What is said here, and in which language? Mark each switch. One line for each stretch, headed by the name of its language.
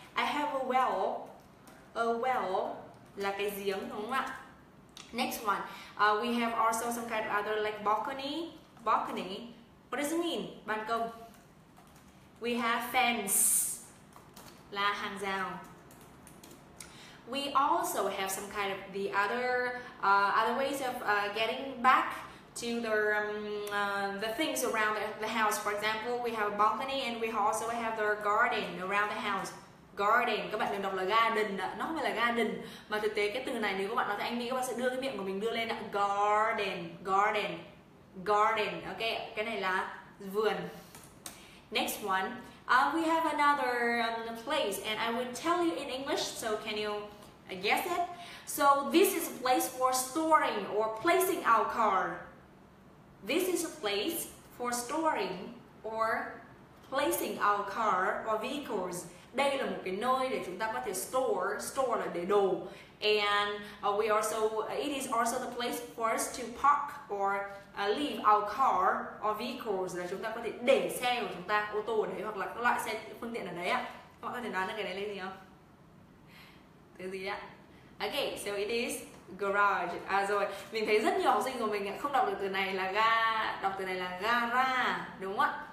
English: I have a well. A well
Vietnamese: là cái giếng đúng không ạ?
English: Next one. We have also some kind of other like balcony. Balcony. What does it mean?
Vietnamese: Ban công.
English: We have fence
Vietnamese: là hàng rào.
English: We also have some kind of the other ways of getting back to the things around the house. For example, we have a balcony and we also have the garden around the house.
Vietnamese: Garden, các bạn đừng đọc là garden ạ, nó không phải là garden, mà thực tế cái từ này nếu các bạn nói tiếng Anh Mỹ, các bạn sẽ đưa cái miệng của mình đưa lên ạ. Garden, garden, garden. Ok, cái này là vườn.
English: Next one, we have another place and I will tell you in English, so can you guess it? So this is a place for storing or placing our car. This is a place for storing or placing our car or vehicles.
Vietnamese: Đây là một cái nơi để chúng ta có thể store. Store là để đồ.
English: And we also, it is also the place for us to park or leave our car or vehicles.
Vietnamese: Là chúng ta có thể để xe của chúng ta, ô tô ở đấy hoặc là các loại xe phương tiện ở đấy ạ. Các bạn có thể đoán được cái đấy là gì không? Thứ gì ạ?
English: Okay, so it is garage.
Vietnamese: À rồi, mình thấy rất nhiều học sinh của mình không đọc được từ này là ga, đọc từ này là gara, đúng không ạ?